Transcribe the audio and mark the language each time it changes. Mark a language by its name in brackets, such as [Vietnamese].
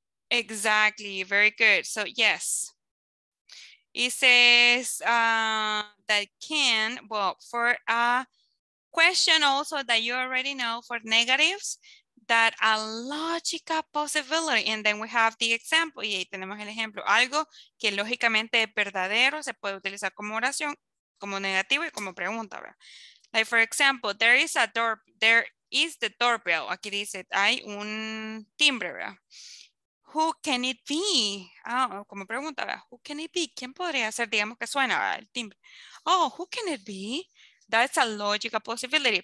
[English] Exactly, very good. So, yes. It says that can, well, for a question also that you already know, for negatives, that a logical possibility. And then we have the example. [Spanish] Y ahí tenemos el ejemplo. Algo que lógicamente es verdadero, se puede utilizar como oración, como negativo y como pregunta, ¿verdad? [English] Like, for example, there is a door, there is the doorbell. [Spanish] Aquí dice, hay un timbre, ¿verdad? [English] Who can it be? [Spanish] Ah, como pregunta, ¿verdad? [English] Who can it be? [Spanish] ¿Quién podría ser? Digamos que suena, ¿verdad? El timbre. [English] Oh, who can it be? That's a logical possibility.